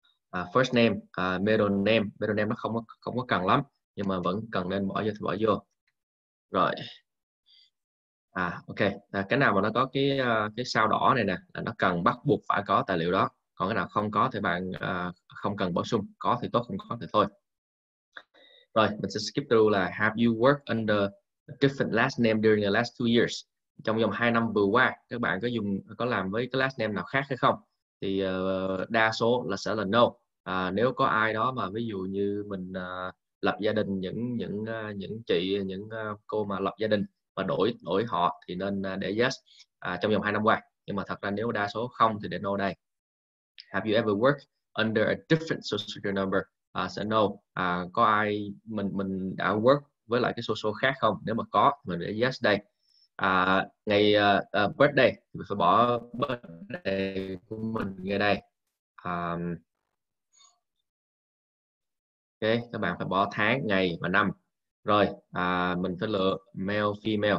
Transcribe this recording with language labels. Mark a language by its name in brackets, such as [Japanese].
[Vietnamese] First name, middle name. Middle name nó không có cần lắm, nhưng mà vẫn cần nên bỏ vô thì bỏ vô. Rồi. Ok, cái nào mà nó có cái sao đỏ này nè là nó cần bắt buộc phải có tài liệu đó. Còn cái nào không có thì bạn không cần bổ sung, có thì tốt, không có thì thôi. Rồi, mình sẽ [English] skip through là Have you worked under a different last name during the last 2 years? [Vietnamese] Trong vòng 2 năm vừa qua, các bạn có làm với cái last name nào khác hay không? Thì đa số là sẽ là no. Nếu có ai đó mà ví dụ như mình lập gia đình, những chị, những cô mà lập gia đình và đổi đổi họ thì nên để yes trong vòng 2 năm qua. Nhưng mà thật ra nếu đa số không thì để no đây. [English] Have you ever worked under a different social security number? [Vietnamese] Sẽ no. Có ai mình đã work với lại cái social khác không? Nếu mà có mình để yes đây. Ngày birthday mình phải bỏ birthday của mình ngay đây. Ok, các bạn phải bỏ tháng, ngày và năm. Rồi, mình phải lựa male, female.